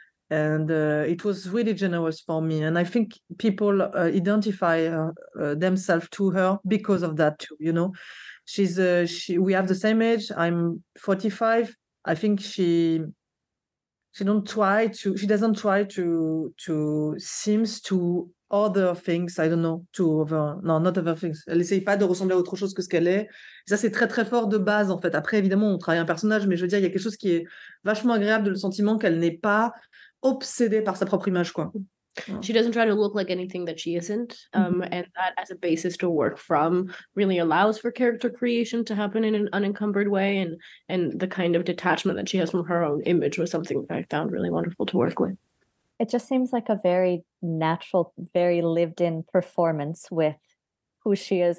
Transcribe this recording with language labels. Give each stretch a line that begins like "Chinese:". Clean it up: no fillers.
English: It was really generous for me. And I think people identify themselves to her because of that too. You know, we have the same age. I'm 45. I think she doesn't try to seems to. Other things, I don't know, to over, non, not other things.
French: Elle essaye pas de ressembler à autre chose que ce qu'elle est. Et ça, c'est très, très fort de base, en fait. Après, évidemment, on travaille un personnage, mais je veux dire, il y a quelque chose qui est vachement agréable de le sentiment qu'elle n'est pas obsédée par sa propre image, quoi.
English: She doesn't try to look like anything that she isn't. And that, as a basis to work from, really allows for character creation to happen in an unencumbered way. And the kind of detachment that she has from her own image was something that I found really wonderful to work with. It just seems like a very natural, very lived-in performance with who she is.